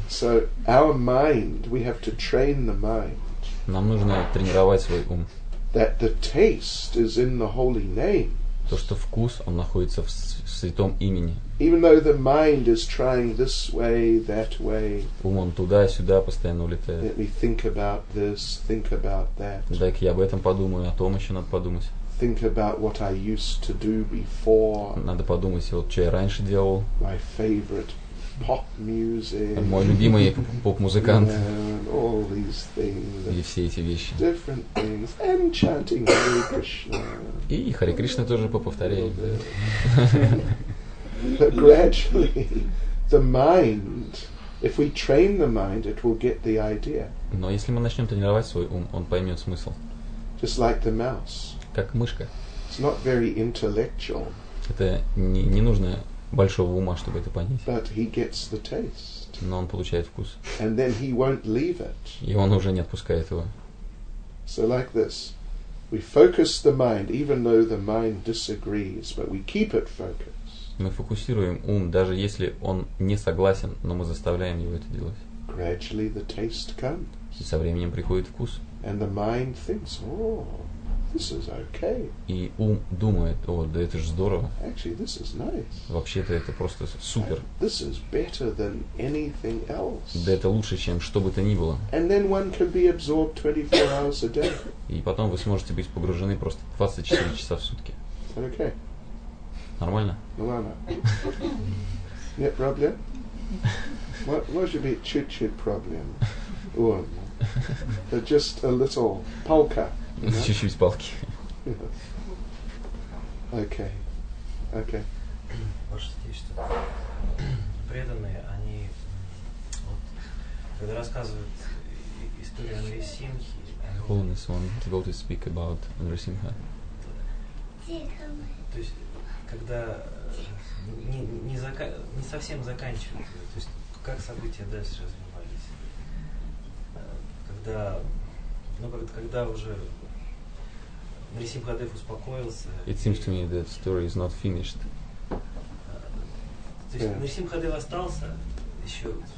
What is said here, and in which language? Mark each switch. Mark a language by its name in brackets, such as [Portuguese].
[English] So our mind, we have to train the mind. [Russian] Нам нужно тренировать свой ум. [English] That the taste is in the holy name. [Russian] То, что вкус, он находится в святом имени. [English] Even though the mind is trying this way, that way. [Russian] Ум он туда-сюда постоянно улетает. [English] Let me think about this, think about that. [Russian] Дай-ка я об этом подумаю, о том еще надо подумать. [English] Think about what I used to do before. [Russian] Надо подумать, вот, что я раньше делал. [English] My favorite pop music. [Russian] Мой любимый поп-музыкант. [English] All these things. [Russian] И все эти вещи. [English] Different things. And chanting Hare Krishna. [Russian] И Харе Кришна тоже поповторяем. [English] But gradually, the mind, if we train the mind, it will get the idea. [Russian] Но если мы начнем тренировать свой ум, он поймет смысл. [English] Just like the mouse. [Russian] Как мышка. [English] It's not very intellectual. [Russian] Это не нужно большого ума, чтобы это понять. [English] But he gets the taste. [Russian] Но он получает вкус. [English] And then he won't leave it. [Russian] И он уже не отпускает его. [English] So like this. We focus the mind, even though the mind disagrees, but we keep it focused. [Russian] Мы фокусируем ум, даже если он не согласен, но мы заставляем его это делать. [English] Gradually the taste comes. [Russian] И со временем приходит вкус. [English] And the mind thinks, oh, this is okay. [Russian] И ум думает, о, да это же здорово. [English] Actually, this is nice. [Russian] Вообще-то это просто супер. [English] This is better than anything else. [Russian] Да это лучше, чем что бы то ни было. [English] And then one can be absorbed 24 hours a day. [Russian] И потом вы сможете быть погружены просто 24 часа в сутки. [English] Okay. [Russian] Нормально? Нормально. Нет проблем? Может быть чуть-чуть проблем. [English] But just a little polka. [Russian] Чуть-чуть палки. [English] Окей. Окей. [Russian] Ваше святейшество. Преданные, они... Вот, когда рассказывают историю Нрисимхи... [English] Holiness one, devotees speak about Nrisimha. [Russian] То есть, когда не совсем заканчивается, то есть, как события дальше развивались? Когда, ну, когда уже Нарисимхадев успокоился... [English] It seems to me that the story is not finished. [Russian] То есть, Нарисимхадев остался еще...